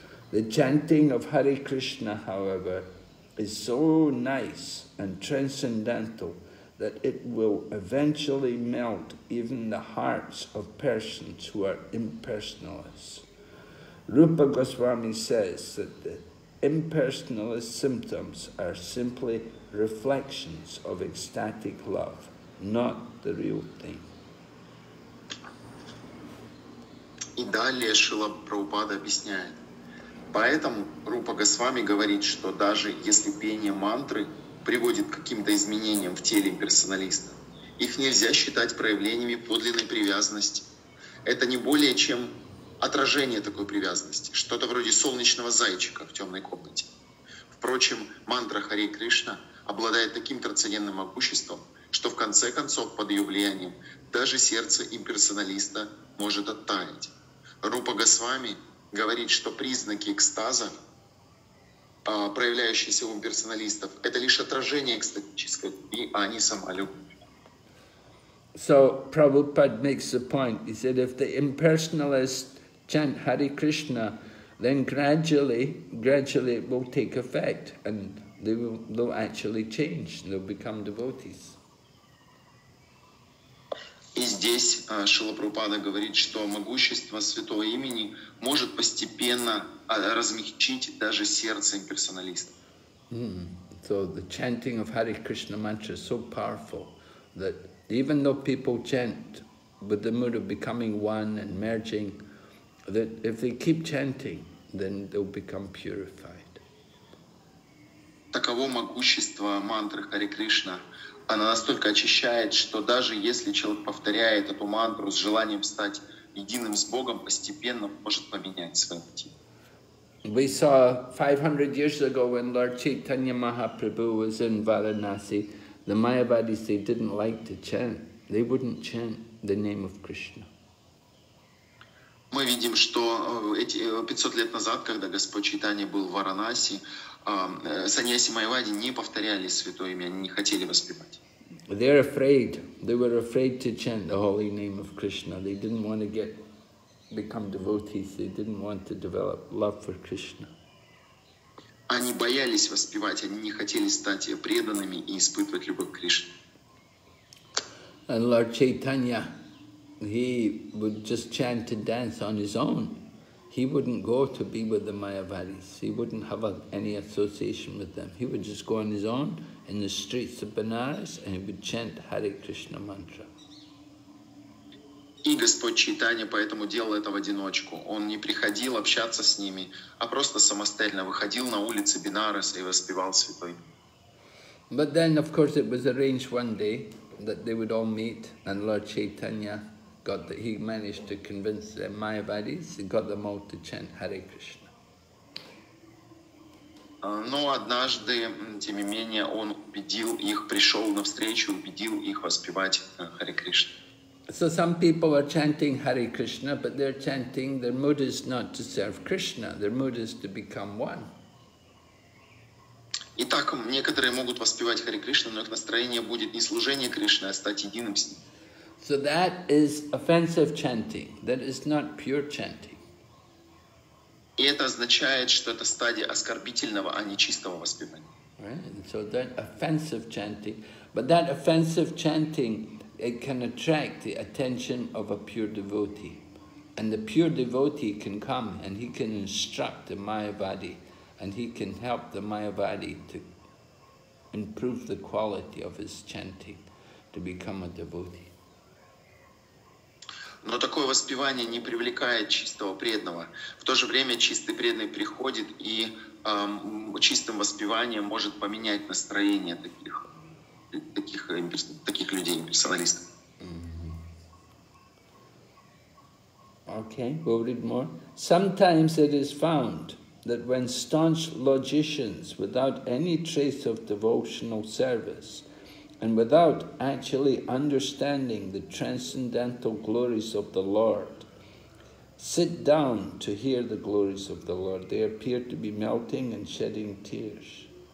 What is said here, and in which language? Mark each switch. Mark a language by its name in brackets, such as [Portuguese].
[English] The chanting of Hare Krishna, however, is so nice and transcendental that it will eventually melt even the hearts of persons who are impersonalists. Rupa Goswami says that the impersonalist symptoms are simply reflections of ecstatic love, not the real thing. [Russian] И далее Шрила Прабхупада объясняет. Поэтому Рупа Госвами говорит, что даже если пение мантры приводит к каким-то изменениям в теле имперсоналиста, их нельзя считать проявлениями подлинной привязанности. Это не более чем отражение такой привязанности, что-то вроде солнечного зайчика в темной комнате. Впрочем, мантра Харе Кришна обладает таким трансцендентным могуществом, что в конце концов под ее влиянием даже сердце имперсоналиста может оттаять. Рупа Госвами говорит, что признаки экстаза, проявляющиеся у имперсоналистов, это лишь отражение экстатической любви, а не сама любовь. [English] So Prabhupada makes the point, he said, if the impersonalist chant Hare Krishna, then gradually it will take effect and they'll actually change, they'll become devotees. [Russian] И здесь Шрила Прабхупада говорит, что могущество святого имени может постепенно размягчить даже сердце имперсоналистов. [English] So the chanting of Hare Krishna mantra is so powerful that even though people chant with the mood of becoming one and merging, that if they keep chanting, then they'll become purified. [Russian] Таково могущество мантры Харе Кришна. Она настолько очищает, что даже если человек повторяет эту мантру с желанием стать единым с Богом, постепенно может поменять свое пути. [English] We saw 500 years ago when Lord Chaitanya Mahaprabhu was in Varanasi, the Mayavadis, they didn't like to chant. They wouldn't chant the name of Krishna. [Russian] Мы видим, что 500 лет назад, когда Господь Чайтанья был в Варанаси, саньяси майвади не повторяли святое имя, они не хотели воспевать. [English] They're afraid. They were afraid to chant the holy name of Krishna. They didn't want to become devotees. They didn't want to develop love for Krishna. [Russian] Они боялись воспевать, они не хотели стать преданными и испытывать любовь к Кришне. [English] And Lord Chaitanya, he would just chant and dance on his own. He wouldn't go to be with the Mayavadis. He wouldn't have any association with them. He would just go on his own in the streets of Benares and he would chant Hare Krishna mantra. [Russian] И Господь Чайтанья поэтому делал это в одиночку. Он не приходил общаться с ними, а просто самостоятельно выходил на улицы Бенареса и воспевал святой. [English] But then, of course, it was arranged one day that they would all meet and Lord Chaitanya got that he managed to convince the Mayavadis and got them all to chant Hare Krishna. [Russian] Но однажды, тем не менее, он убедил их, пришел навстречу, убедил их воспевать Hare Krishna. [English] So some people are chanting Hare Krishna, but they're chanting, their mood is not to serve Krishna, their mood is to become one. [Russian] Итак, некоторые могут воспевать Харе Кришну, но их настроение будет не служение Кришне, а стать единым с Ним. [English] So that is offensive chanting. That is not pure chanting. [Russian] И это означает, что это стадия оскорбительного, а не чистого воспевания. [English] Right? So that offensive chanting, but that offensive chanting, it can attract the attention of a pure devotee. And the pure devotee can come and he can instruct the Mayavadi. And he can help the Mayavadi to improve the quality of his chanting, to become a devotee. [Russian] Но такое воспевание не привлекает чистого преданного. В то же время чистый преданный приходит и чистым воспеванием может поменять настроение таких людей, персоналистов. [English] Okay, we'll read more. Sometimes it is found that when staunch logicians, without any trace of devotional service, and without actually understanding the transcendental glories of the Lord, sit down to hear the glories of the Lord, they appear to be melting and shedding tears.